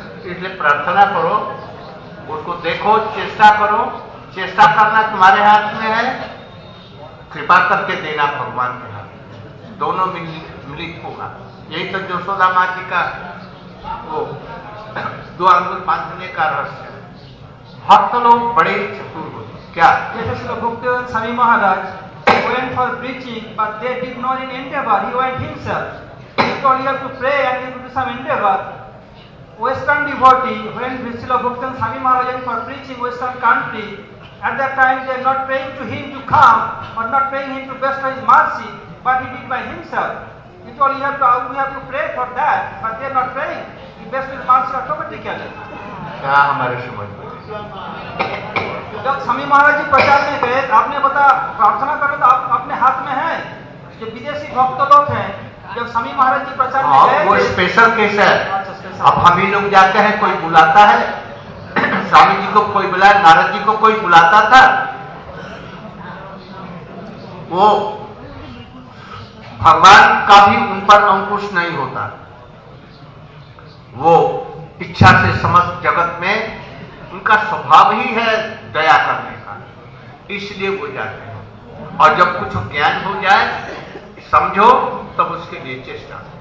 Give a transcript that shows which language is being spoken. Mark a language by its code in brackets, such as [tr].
[hi] इसलिए प्रार्थना करो उसको देखो चेष्टा करो चेष्टा करना तुम्हारे हाथ में है कृपा करके देना भगवान के हाथ दोनों मिलित होगा। यही तो यशोदा माँ जी का वो दो अंगुल बांधने का रहस्य है। भक्त लोग बड़े चतुर हो क्या [en] जैसे Shri Gupteshwar Swami Maharaj went for preaching but they did not in endeavor he went himself he told you to pray and you do some endeavor western devotee when Srila Bhaktan Swami Maharaj went for preaching western country at that time they are not praying to him to come or not praying him to bestow his mercy but he did by himself he told you have to pray for that but they are not praying he bestowed his mercy automatically [hi] क्या हमारे समझ जब स्वामी महाराज जी प्रचार में गए आपने बता प्रार्थना करो तो आप अपने हाथ में है जो विदेशी भक्त लोग हैं जब स्वामी महाराज जी प्रचार में गए वो स्पेशल केस है। अब हम ही लोग जाते हैं कोई बुलाता है स्वामी जी को कोई बुलाए नारद जी को कोई बुलाता था वो भगवान का भी उन पर अंकुश नहीं होता वो इच्छा से समस्त जगत में उनका स्वभाव ही है दया करने का इसलिए वो जाते हैं और जब कुछ ज्ञान हो जाए समझो तब उसके लिए चेष्टा